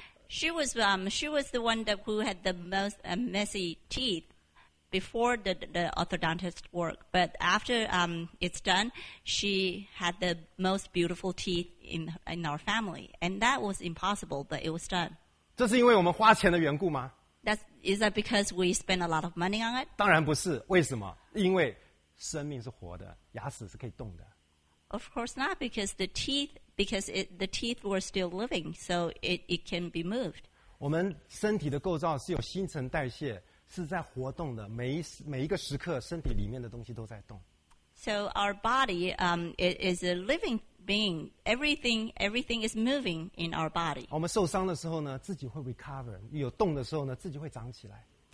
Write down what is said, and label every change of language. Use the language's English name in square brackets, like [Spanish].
[English] She was the one that who had the most messy teeth before the orthodontist work but after it's done she had the most beautiful teeth in our family and that was impossible but it was done [Chinese] 这是因为我们花钱的缘故吗 [English] Is that because we spend a lot of money on it? [Chinese] 当然不是，为什么？因为生命是活的，牙齿是可以动的。 [English] Of course not, because the teeth were still living, so it can be moved. [Chinese] 我们身体的构造是有新陈代谢，是在活动的。每一个时刻，身体里面的东西都在动。 [English] So our body, it is a living being. Everything is moving in our body. [Chinese] 我们受伤的时候呢，自己会 recover. 有动的时候呢，自己会长起来。